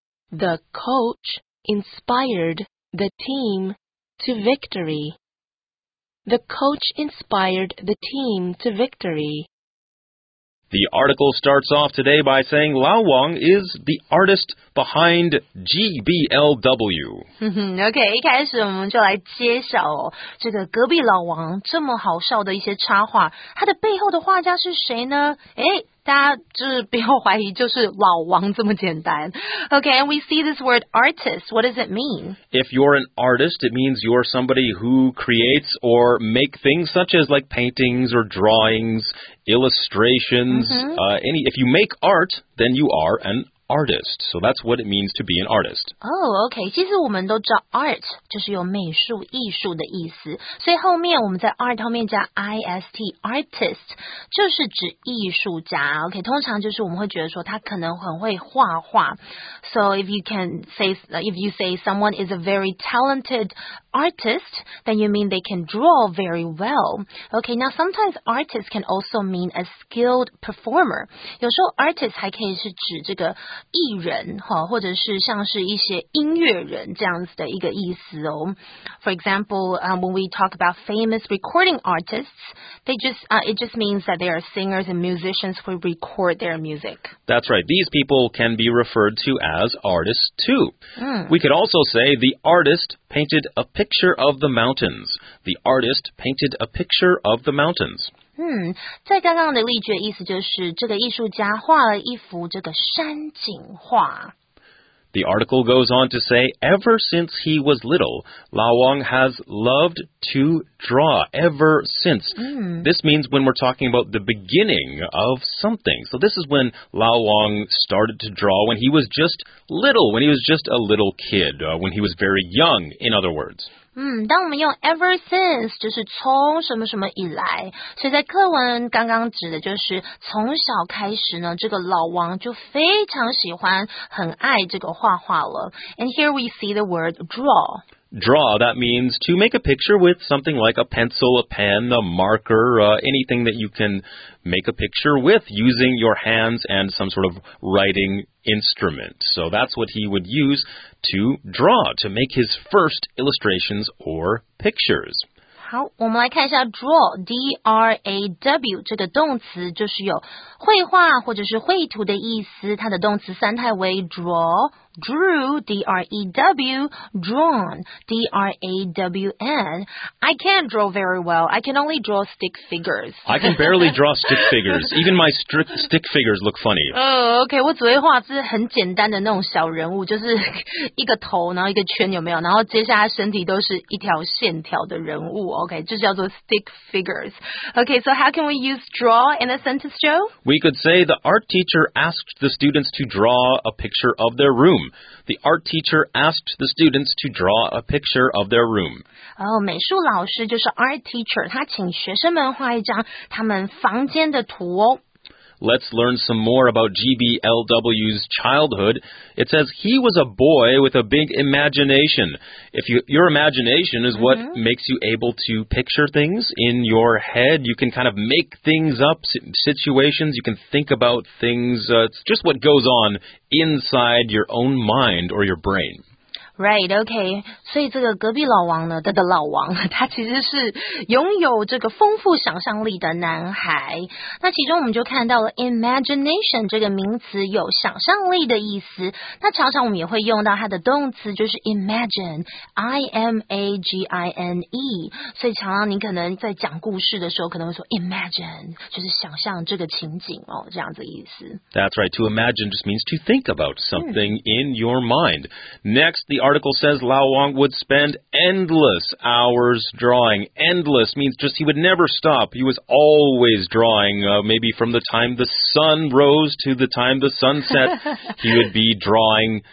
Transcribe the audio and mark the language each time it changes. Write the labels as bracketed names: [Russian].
[English] The coach inspired the team to victory. The coach inspired the team to victory. The article starts off today by saying Lau Wang is the artist behind GBLW. [Chinese] OK, 一开始我们就来揭晓哦，这个隔壁老王这么好笑的一些插画，他的背后的画家是谁呢？诶，大家就是不要怀疑，就是老王这么简单。 [English] OK, and we see this word artist. What does it mean? If you're an artist, it means you're somebody who creates or make things such as like paintings or drawings, illustrations. Mm-hmm. If you make art, then you are an artist. So that's what it means to be an artist. Oh, OK. [Chinese] 其实我们都知道 art 就是有美术、艺术的意思。所以后面我们在 art 后面加 ist, artist, 就是指艺术家。 OK, 通常就是我们会觉得说他可能很会画画。 [English] So if you say someone is a very talented artist, then you mean they can draw very well. Okay, now sometimes artist can also mean a skilled performer. [Chinese] 有时候 artist 还可以是指这个艺人，或者是像是一些音乐人这样子的一个意思哦。 [English] For example, when we talk about famous recording artists, it just means that they are singers and musicians who record their music. That's right. These people can be referred to as artists too. We could also say the artist painted a picture of the mountains. The artist painted a picture of the mountains. [Chinese] 在刚刚的例句的意思就是这个艺术家画了一幅这个山景画。 [English] The article goes on to say, ever since he was little, Lao Wang has loved to draw. Ever since. This means when we're talking about the beginning of something. So this is when Lao Wang started to draw when he was just little, when he was just a little kid,when he was very young, in other words. [Chinese] 当我们用 ever since, 就是从什么什么以来。所以在课文刚刚指的就是从小开始呢这个老王就非常喜欢很爱这个画画了。 [English] And here we see the word draw. Draw, that means to make a picture with something like a pencil, a pen, a marker, anything that you can make a picture with using your hands and some sort of writing instrument. So that's what he would use. To draw, to make his first illustrations or pictures. [Chinese] 好，我们来看一下 draw, D-R-A-W, 这个动词就是有绘画或者是绘图的意思，它的动词三态为 draw, drew, D-R-E-W, drawn, D-R-A-W-N. [English] I can't draw very well. I can only draw stick figures. I can barely draw stick figures. Even my stick figures look funny. [Chinese] Okay, 我只会画是很简单的那种小人物，就是一个头，然后一个圈有没有，然后接下来身体都是一条线条的人物。 [English] Okay, [Chinese] 这叫做 [English] stick figures. Okay, so how can we use draw in a sentence, Joe? We could say the art teacher asked the students to draw a picture of their room. The art teacher asked the students to draw a picture of their room. [Chinese] Oh, 美术老师就是 art teacher, 他请学生们画一张他们房间的图哦。 [English] Let's learn some more about GBLW's childhood. It says he was a boy with a big imagination. Your imagination is what makes you able to picture things in your head. You can kind of make things up, situations. You can think about things. It's just what goes on inside your own mind or your brain. Right, okay. [Chinese] 所以这个隔壁老王呢，的老王，他其实是拥有这个丰富想象力的男孩。那其中我们就看到了 imagination 这个名词有想象力的意思。那常常我们也会用到它的动词，就是 imagine, I-M-A-G-I-N-E. 所以常常你可能在讲故事的时候，可能会说 imagine, 就是想象这个情景哦，这样子意思。 [English] That's right. To imagine just means to think about something in your mind. Next, the article says Lao Wang would spend endless hours drawing. Endless means just he would never stop. He was always drawing, maybe from the time the sun rose to the time the sun set, he would be drawing.